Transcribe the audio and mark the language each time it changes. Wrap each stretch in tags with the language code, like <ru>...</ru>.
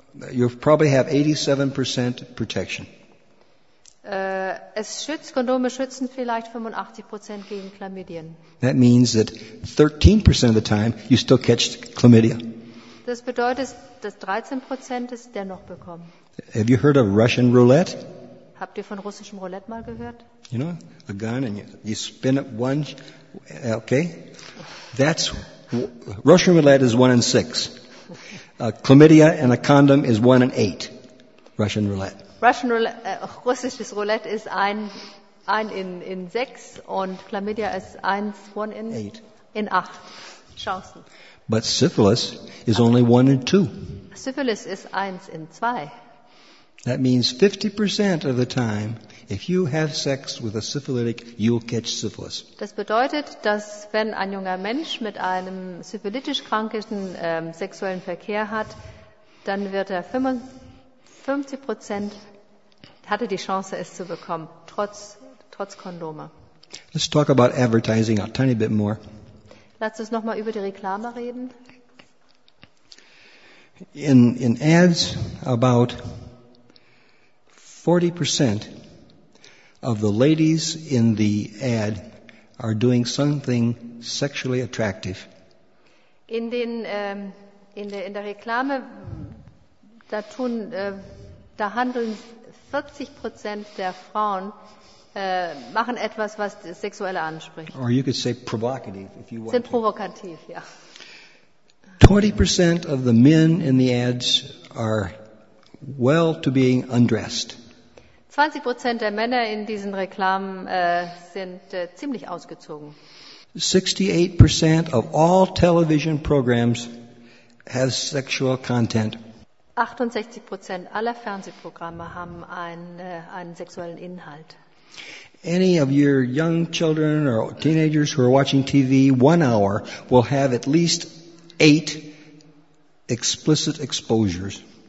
<en>You probably have 87% protection.</en> <de>Es schützt, Kondome schützen vielleicht 85% gegen Chlamydien.</de> <en>That means that 13% of the time you still catch chlamydia.</en> <de>Das bedeutet, dass 13% es dennoch bekommen.</de> <en>Have you heard of Russian roulette?</en> <de>Habt ihr von russischem Roulette mal gehört?</de> <en>You know, a gun and you spin it one, okay? That's Russian roulette is 1 in 6. Chlamydia and a condom is 1 in 8. Russian roulette.</en> <de>Russisches Roulette ist ein in 6 und Chlamydia ist 1 in 8 Chancen.</de> <en>But syphilis is only 1 in 2.</en> <de>Syphilis ist 1 in 2.</de> <en>That means 50% of the time, if you have sex with a syphilitic, you'll catch syphilis.</en> <de>Das bedeutet, dass wenn ein junger Mensch mit einem syphilitisch kranken sexuellen Verkehr hat, dann wird er 50% hatte die Chance, es zu bekommen, trotz Kondome.</de> <en>Let's talk about advertising a tiny bit more.</en> <de>Lass uns noch mal über die Reklame reden.</de> <en>In ads, about 40% of the ladies in the ad are doing something sexually attractive.</en> <de>In der Reklame, da handeln 40% der Frauen machen etwas, was das Sexuelle anspricht.</de> <en>Or you could say provocative, if you want.</en> <de>Sind provokativ, ja.</de> <en>20% of the men in the ads are well to being undressed.</en> <de>20% der Männer in diesen Reklamen sind ziemlich ausgezogen.</de> <en>68% of all television programs have sexual content.</en> <de>68% aller Fernsehprogramme haben einen sexuellen Inhalt.</de> <en>Any of your young children or teenagers who are watching TV 1 hour will have at least 8 explicit exposures.</en>